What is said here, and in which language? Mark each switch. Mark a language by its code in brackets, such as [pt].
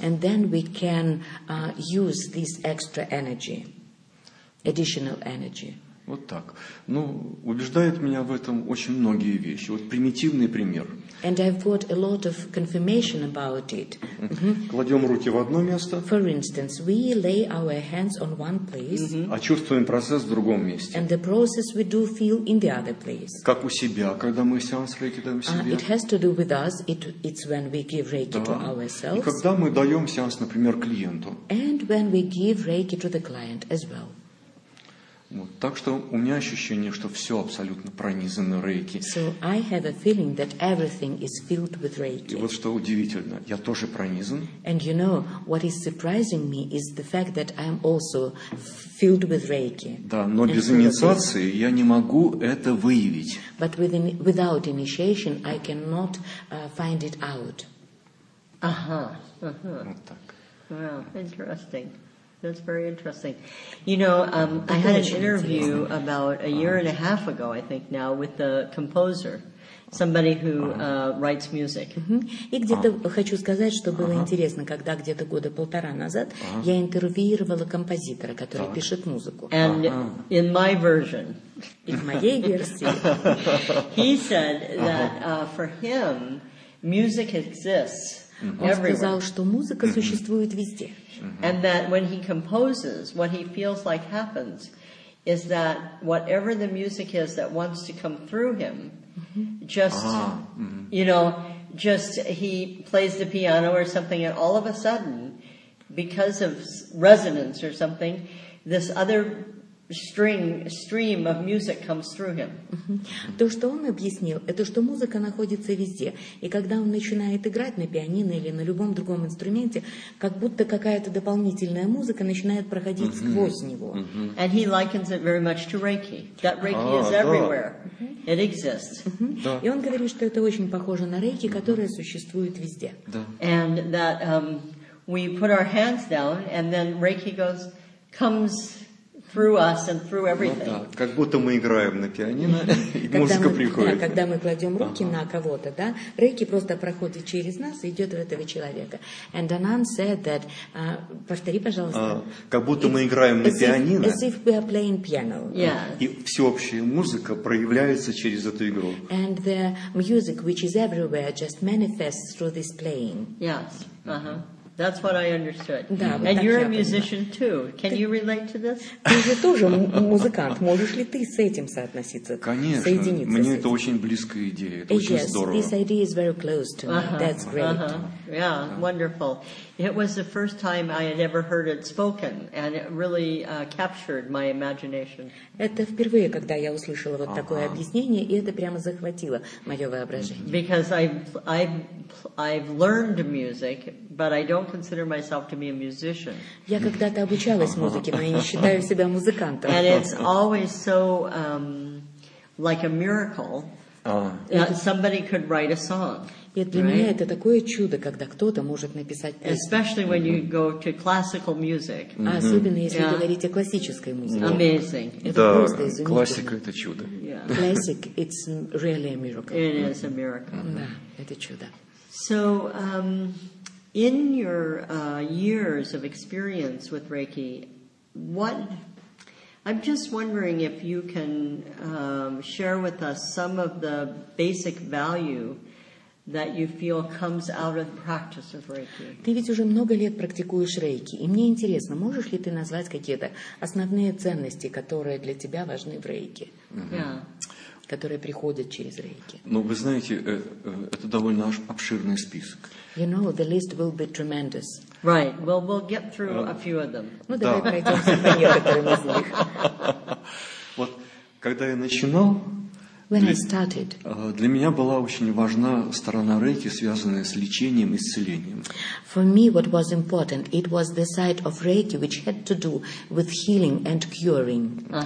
[en] And then we can use this extra energy, additional energy. [ru] Вот так. Ну, убеждают меня в этом очень многие вещи. Вот примитивный пример. [en] And I've got a lot of confirmation about it. [ru] Кладем руки в одно место. [en] For instance, we lay our hands on one place. [ru] А чувствуем процесс в другом месте. [en] And the process we do feel in the other place. [ru] Как у себя, когда мы сеанс рейки даем себе. [en] It has to do with us. It's when we give reiki to ourselves. [ru] И когда мы даем сеанс, например, клиенту. [en] And when we give reiki to the client as well. [ru] Вот. Так что у меня ощущение, что все абсолютно пронизано рейки. [en] So I have a feeling that everything is filled with reiki. [ru] И вот что удивительно, я тоже пронизан. [en] And you know, what is surprising me is the fact that I am also filled with reiki. [ru] Да, но без инициации я не могу это выявить. [en] But without initiation, I cannot find it out. [ru] Вот так. [en] Well, interesting. That's very interesting. You know, I had an interview about a year and a half ago, I think now, with a composer, somebody who writes music. [ru] И где-то хочу сказать, что было интересно, когда где-то года полтора назад я интервьюировала композитора, который пишет музыку. [en] And in my version, [ru] in моей версии, [en] he said that for him, music exists everywhere. [ru] Он сказал, что музыка существует везде. [en] And that when he composes, what he feels like happens is that whatever the music is that wants to come through him, just, you know, just he plays the piano or something, and all of a sudden, because of resonance or something, this other stream of music comes through him. [ru] То, что он объяснил, это что музыка находится везде. И когда он начинает играть на пианино или на любом другом инструменте, как будто какая-то дополнительная музыка начинает проходить сквозь него. [en] And he likens it very much to Reiki. That Reiki is everywhere. It exists. [ru] И он говорит, что это очень похоже на Рейки, которая существует везде. [en] And that we put our hands down and then Reiki comes through us and through everything. [ru] Ну, да. Как будто мы играем на пианино, и музыка приходит. Да, когда мы кладем руки на кого-то, да, рейки просто проходит через нас и идет в этого человека. [en] And Anand said that, [ru] повтори, пожалуйста. Как будто мы играем на пианино. [en] As if we are playing piano. Yes. [ru] И всеобщая музыка проявляется через эту игру. [en] And the music which is everywhere just manifests through this playing. Yes. That's what I understood. [ru] Да, вот [en] and you're a musician too. Can you relate to this? [ru] Ты же тоже музыкант. Можешь ли ты с этим соотноситься? Конечно. Соединиться мне с этим? Это очень близкая идея. Это очень здорово. [en] This idea is very close to me. That's great. Yeah, wonderful. It was the first time I had ever heard it spoken, and it really captured my imagination. [ru] Это впервые, когда я услышала вот такое объяснение, и это прямо захватило мое воображение. [en] Because I've learned music, but I don't consider myself to be a musician. [ru] Я когда-то обучалась музыке, но я не считаю себя музыкантом. [en] And it's always so like a miracle. Somebody could write a song. [ru] И для меня это такое чудо, когда кто-то может написать песню. [en] Especially when you go to classical music. [ru] Особенно если вы говорите о классической музыке. [en] Amazing. [ru] Это просто изумительно. Классика — это чудо. [en] Classic, it's really a miracle. It is a miracle. [ru] Да, это чудо. [en] So, in your years of experience with Reiki, what I'm just wondering if you can share with us some of the basic value that you feel comes out of the practice of Reiki. [ru] Ты ведь уже много лет практикуешь Рейки, и мне интересно, можешь ли ты назвать какие-то основные ценности, которые для тебя важны в Рейке? Которые приходят через Рейки. Ну, вы знаете, это довольно обширный список. [en] You know, the list will be tremendous. Right. Well, we'll get through a few of them. [ru] Ну, давай пройдемся по некоторым из них. Вот, когда я начинал, [en] when I started, [ru] для меня была очень важна сторона Рейки, связанная с лечением и исцелением. [en] For me, what was important, it was the side of Reiki, which had to do with healing and curing.